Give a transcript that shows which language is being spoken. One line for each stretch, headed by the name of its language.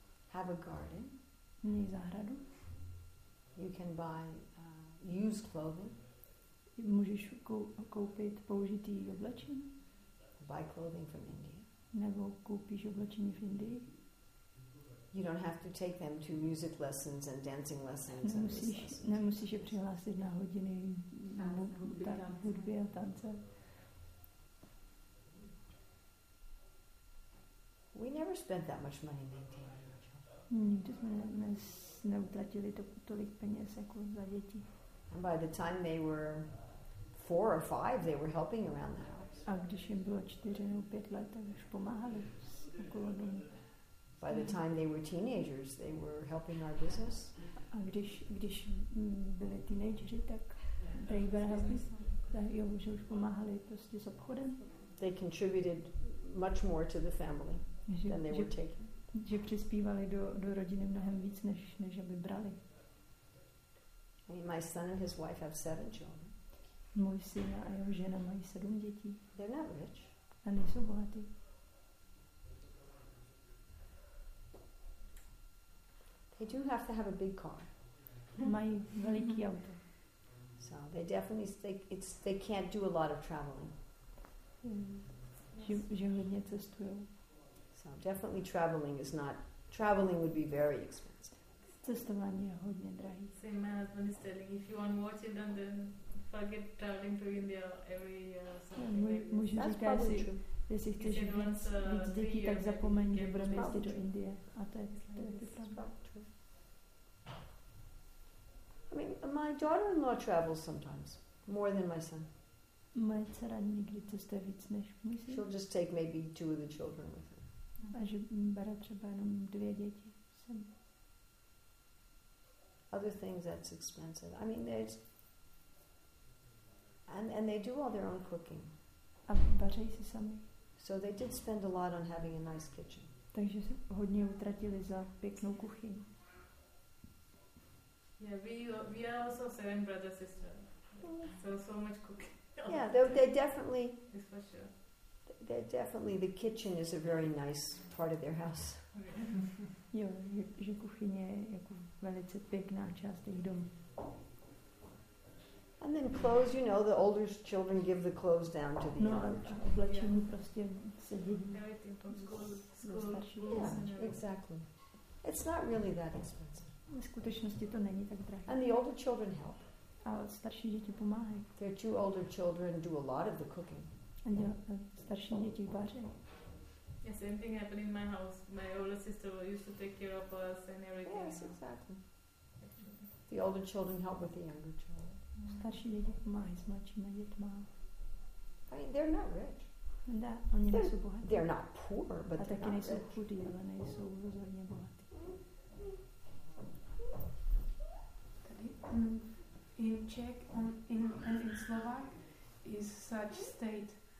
English: Have a garden.
Czech: Měj zahradu.
English: You can buy used clothing.
Czech: Můžeš koupit použitý oblečení.
English: Buy clothing from India.
Czech: Nebo koupíš oblečení v Indii.
English: You don't have to take them to music lessons and dancing lessons.
Czech: Nemusíš je přihlásit na hodiny hudby a tance.
English: We never spent that much money maintaining our children.
Czech: Nikdy jsme neutratili tolik peněz jako za děti.
English: And by the time they were 4 or 5, they were helping around the house.
Czech: A když jim bylo 4 nebo 5 let, tak už pomáhali okolo domu.
English: By the time they were teenagers, they were helping our business.
Czech: A když byli teenageři, tak
English: they were helping.
Czech: Tak jo, že už pomáhali prostě s obchodem.
English: They contributed much more to the family than they were taking.
Czech: Že přispívali do rodiny mnohem víc, než aby brali.
English: I mean, my son and his wife have 7 children.
Czech: Můj syn a jeho žena mají 7 dětí.
English: They're not rich.
Czech: A nejsou bohatí.
English: They do have to have a big car.
Czech: My veliký auto.
English: So they definitely they can't do a lot of traveling. Yes. So definitely traveling is not, traveling would be very expensive.
Czech: Cestování je hodně drahý.
English: Same as when he's telling, if you want to watch it, then forget traveling to India every year or something.
Czech: Můžu říkat, jestli chceš víc děti, tak zapomeň, že budeme jezdit do Indie. A to je taky pravda.
English: I mean, my daughter-in-law travels sometimes, more than my son.
Czech: Moje dcera někdy cestuje víc než můj syn.
English: She'll just take maybe two of the children with her.
Czech: A že bere třeba jenom dvě děti.
English: Other things that's expensive. I mean, there's and they do all their own cooking.
Czech: A vaří si sami.
English: So they did spend a lot on having a nice kitchen.
Czech: Takže se hodně utratili za pěknou kuchyni.
English: Yeah, we are also seven brothers and sisters. Yeah. So much cooking. Yeah, they definitely. This for sure. They definitely the kitchen is a very nice part of their house.
Czech: Jo, že kuchyně je jako velice pěkná část jejich domu.
English: And then clothes, you know, the older children give the clothes down to the younger.
Czech: No, oblečení prostě se dědí.
English: Everything from school. Yeah, exactly. It's not really that expensive.
Czech: Ve skutečnosti to není tak drahé.
English: And the older children help.
Czech: A starší děti pomáhají.
English: Their two older children do a lot of the cooking.
Czech: A starší děti vaří.
English: Yeah, same thing happened in my house. My older sister used to take care of us and everything. Yes, exactly. The older children help with the younger children.
Czech: Starší děti pomáhají s mladšími dětmi.
English: I mean, they're not rich.
Czech: Da, oni nejsou bohatí.
English: They're not poor, but a they're not rich.
Czech: A taky nejsou chudí, ale nejsou rozhodně bohatí.
English: Tady, in Czech and in Slovak is such state.